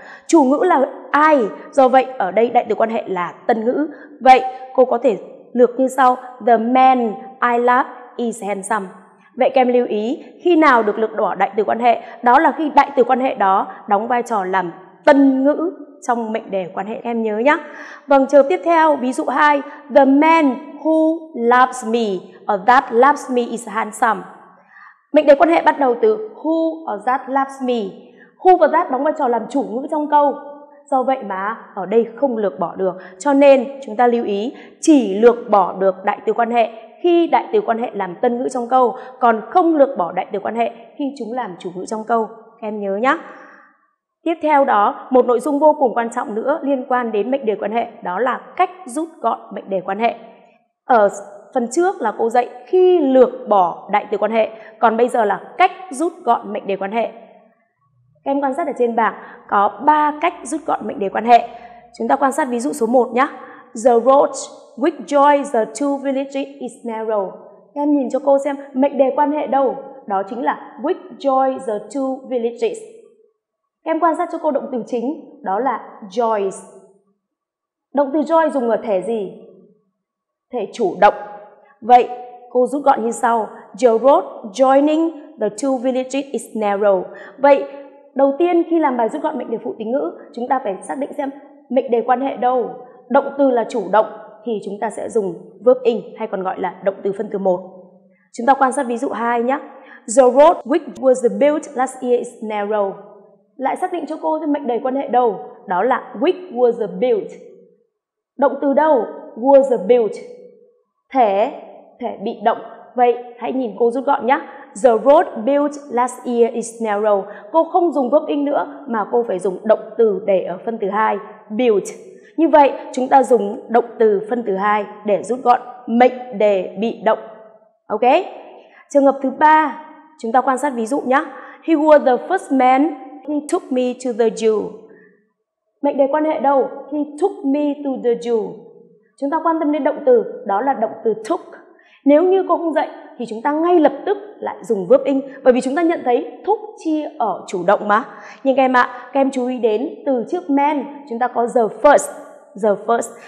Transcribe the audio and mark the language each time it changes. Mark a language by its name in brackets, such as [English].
[Vietnamese] Chủ ngữ là ai, do vậy ở đây đại từ quan hệ là tân ngữ. Vậy cô có thể lược như sau, [English] the man I love is handsome. [Vietnamese] Vậy kèm lưu ý, khi nào được lược bỏ đại từ quan hệ? Đó là khi đại từ quan hệ đó đóng vai trò làm tân ngữ trong mệnh đề quan hệ, em nhớ nhé. Vâng, chờ tiếp theo, ví dụ 2, [English] the man who loves me or that loves me is handsome. [Vietnamese] Mệnh đề quan hệ bắt đầu từ [English] who or that loves me. [Vietnamese] Who và that đóng vai trò làm chủ ngữ trong câu, do vậy mà ở đây không lược bỏ được. Cho nên chúng ta lưu ý, chỉ lược bỏ được đại từ quan hệ khi đại từ quan hệ làm tân ngữ trong câu, còn không lược bỏ đại từ quan hệ khi chúng làm chủ ngữ trong câu, em nhớ nhé. Tiếp theo đó, một nội dung vô cùng quan trọng nữa liên quan đến mệnh đề quan hệ, đó là cách rút gọn mệnh đề quan hệ. Ở phần trước là cô dạy khi lược bỏ đại từ quan hệ, còn bây giờ là cách rút gọn mệnh đề quan hệ. Em quan sát ở trên bảng có 3 cách rút gọn mệnh đề quan hệ. Chúng ta quan sát ví dụ số 1 nhé. [English] The road which joins the two villages is narrow. [Vietnamese] Em nhìn cho cô xem mệnh đề quan hệ đâu? Đó chính là [English] which joins the two villages. [Vietnamese] Em quan sát cho cô động từ chính, đó là joys. Động từ joy dùng ở thể gì? Thể chủ động. Vậy, cô rút gọn như sau. [English] The road joining the two villages is narrow. [Vietnamese] Vậy, đầu tiên khi làm bài rút gọn mệnh đề phụ tính ngữ, chúng ta phải xác định xem mệnh đề quan hệ đâu. Động từ là chủ động thì chúng ta sẽ dùng verb ing hay còn gọi là động từ phân từ 1. Chúng ta quan sát ví dụ 2 nhé. [English] The road which was built last year is narrow. [Vietnamese] Lại xác định cho cô thêm mệnh đề quan hệ đâu. Đó là [English] which was built. [Vietnamese] Động từ đâu? Was built. Thể bị động. Vậy hãy nhìn cô rút gọn nhé. [English] The road built last year is narrow. [Vietnamese] Cô không dùng verb ing nữa mà cô phải dùng động từ để ở phân từ 2. Built. Như vậy, chúng ta dùng động từ phân từ 2 để rút gọn mệnh đề bị động. Ok? Trường hợp thứ 3, chúng ta quan sát ví dụ nhé. [English] He was the first man who took me to the zoo. [Vietnamese] Mệnh đề quan hệ đâu? [English] He took me to the zoo. [Vietnamese] Chúng ta quan tâm đến động từ, đó là động từ took. Nếu như cô không dạy, thì chúng ta ngay lập tức lại dùng verb ing. Bởi vì chúng ta nhận thấy took chia ở chủ động mà. Nhưng các em ạ, các em chú ý đến từ trước man, chúng ta có the first. [English] The first.